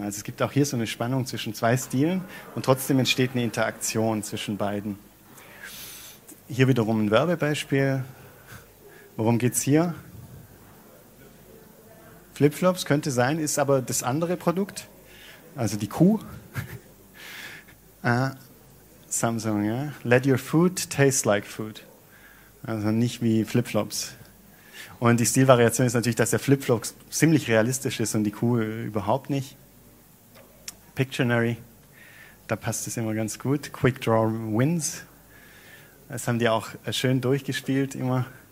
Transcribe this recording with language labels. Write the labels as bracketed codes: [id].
[de] Also es gibt auch hier so eine Spannung zwischen zwei Stilen und trotzdem entsteht eine Interaktion zwischen beiden. Hier wiederum ein Werbebeispiel. Worum geht es hier? Flipflops könnte sein, ist aber das andere Produkt, also die Kuh. Samsung, ja. [en] Let your food taste like food. [de] Also nicht wie Flipflops. Und die Stilvariation ist natürlich, dass der Flipflops ziemlich realistisch ist und die Kuh überhaupt nicht. Pictionary, da passt es immer ganz gut. [en] Quick Draw Wins. [de] Das haben die auch schön durchgespielt immer.